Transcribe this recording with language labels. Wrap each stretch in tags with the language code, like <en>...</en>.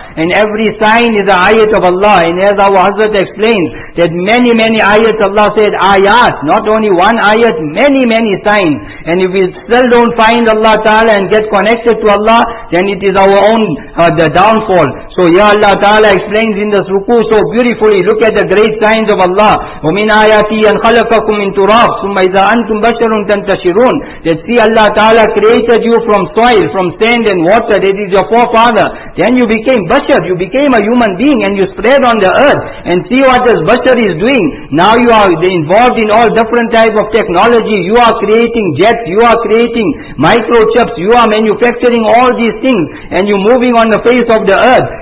<en>And every sign is an ayat of Allah. And as our Hazrat explains, that many ayats, Allah said, ayat, not only one ayat, many signs. And if we still don't find Allah Ta'ala and get connected to Allah, then it is our own the downfall. So ya Allah Ta'ala explains in this ruku so beautifully, look at the great signs of Allah.</en> <ar>وَمِنْ آيَاتِي أَنْ خَلَقَكُمْ مِنْ تُرَابٍ ثُمَّ إِذَا أَنْتُمْ بَشَرٌ تَنْتَشِرُونَ.</ar> <en>That see, Allah Ta'ala created you from soil, from sand and water, that is your forefather. Then you became Bashar, you became a human being and you spread on the earth. And see what this Bashar is doing. Now you are involved in all different types of technology. You are creating jets, you are creating microchips, you are manufacturing all these things and you're moving on the face of the earth.</en>